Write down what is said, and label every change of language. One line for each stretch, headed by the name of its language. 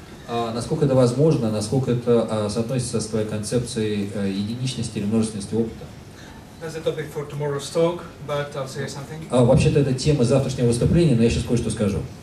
Russian: Насколько это возможно, насколько это соотносится с твоей концепцией единичности или множественности опыта?
English: That's a topic for tomorrow's talk, but I'll say something.
Russian: Вообще-то это тема завтрашнего выступления, но я сейчас кое-что скажу.